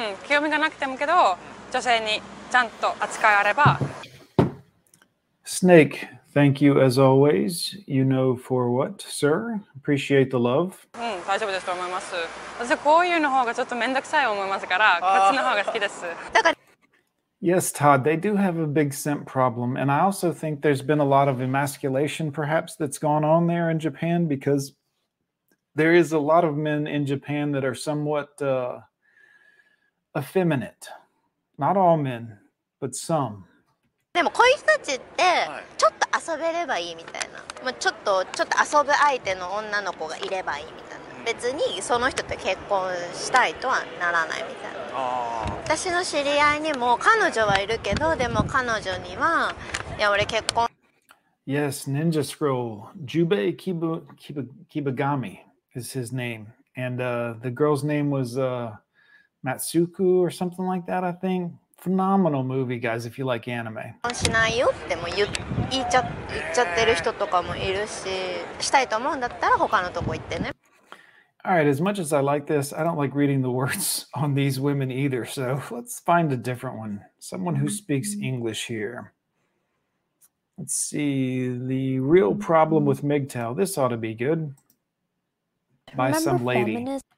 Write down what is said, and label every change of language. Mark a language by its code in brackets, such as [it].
[ja] 興味がなくてもけど、女性にちゃんと扱いあれば。 [en] Snake, thank you as always. You know for what, sir? Appreciate the love. [ja] 大丈夫ですと思います。私こういうの方がちょっとめんどくさい思いますから、こっちの方が好きです。だから、 [en] Yes, Todd, they do have a big simp problem. And I also think there's been a lot of emasculation perhaps that's gone on there in Japan, because there is a lot of men in Japan that are somewhat effeminate. Not all men, but some. [ja] でもこういう人たちってちょっと遊べればいいみたいな。ちょっと遊ぶ相手の女の子がいればいいみたいな。別にその人と結婚したいとはならないみたいな。私の知り合いにも彼女はいるけど、でも彼女にはいや俺結婚。 [en] Yes, Ninja Scroll. Jubei Kibagami is his name. And the girl's name was Matsuku or something like that, I think. Phenomenal movie, guys, if you like anime. [ja] しないよっても言っちゃってる人とかもいるし、したいと思うんだったら他のとこ行ってね。 [en] All right, as much as I like this, I don't like reading the words on these women either. So let's find a different one. Someone who speaks English here. Let's see, the real problem with MGTOW. This ought to be good. By some lady.